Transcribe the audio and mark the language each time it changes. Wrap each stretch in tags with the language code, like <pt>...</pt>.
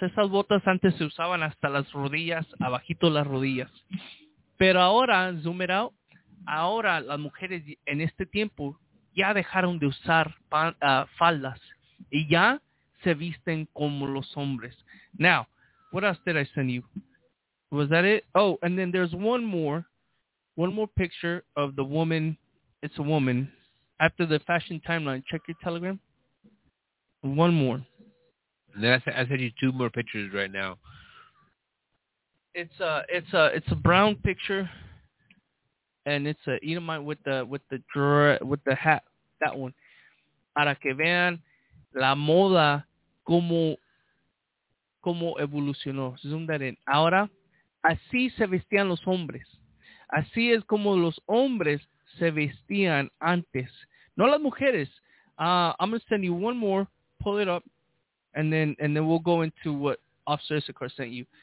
<es>Esas botas antes se usaban hasta las rodillas, abajito las rodillas. Pero ahora,</es> <en>zoom it out,</en> <es>ahora las mujeres en este tiempo ya dejaron de usar faldas y ya se visten como los hombres.</es> <en>Now, what else did I send you? Was that it? Oh, and then there's one more picture of the woman. It's a woman. After the fashion timeline, check your Telegram. One more. I sent you two more pictures right now. It's a brown picture, and it's a Edomite with the hat. That one.</en> <es>Para que vean la moda como evolucionó.</es> <en>Zoom that in.</en> <es>Ahora, así se vestían los hombres. Así es como los hombres se vestían antes. No las mujeres.</es> <en>I'm gonna send you one more. Pull it up, and then we'll go into what Officer Issachar sent you.</en>